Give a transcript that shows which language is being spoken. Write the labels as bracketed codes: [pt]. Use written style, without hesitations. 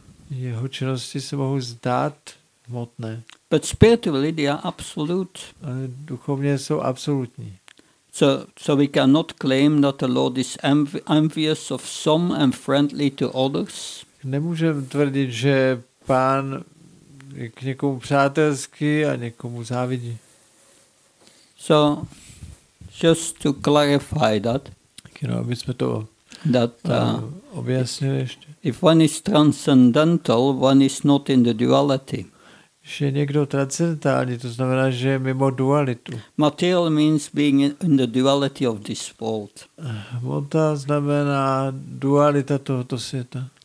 [cs] Jeho činnosti se mohou zdát hmotné. [en] But spiritually they are absolute. [cs] Ale duchovně jsou absolutní. [en] So we cannot claim that the Lord is envious of some and friendly to others. [cs] Nemůžeme tvrdit, že pán je k někomu přátelský a někomu závidí. [en] So just to clarify that. [cs] Kino, aby jsme to objasnili ještě. [en] If one is transcendental, one is not in the duality. [cs] Že někdo transcendentální, to znamená, že je mimo dualitu. [en] Material means being in the duality of this world. [cs] Hmota znamená dualita tohoto světa.